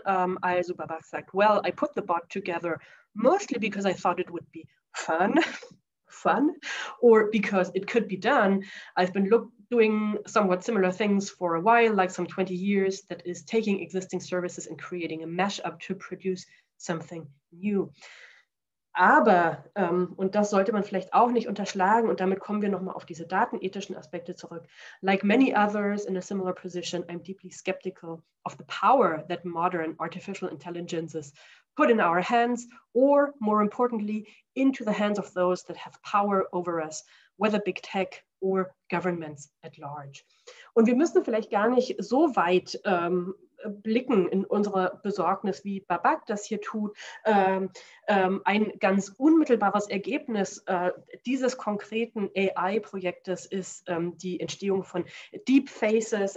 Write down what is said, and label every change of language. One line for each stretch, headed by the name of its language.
German: Also Babak sagt,
English: well, I put the bot together mostly because I thought it would be fun. Fun, or because it could be done. I've been doing somewhat similar things for a while, like some 20 years, that is taking existing services and creating a mashup to produce something new.
German: Aber, und das sollte man vielleicht auch nicht unterschlagen, und damit kommen wir nochmal auf diese datenethischen Aspekte zurück.
English: Like many others in a similar position, I'm deeply skeptical of the power that modern artificial intelligences put in our hands, or more importantly, into the hands of those that have power over us, whether big tech or governments at large.
German: Und wir müssen vielleicht gar nicht so weit blicken in unsere Besorgnis, wie Babak das hier tut. Ein ganz unmittelbares Ergebnis dieses konkreten AI-Projektes ist die Entstehung von Deep Faces.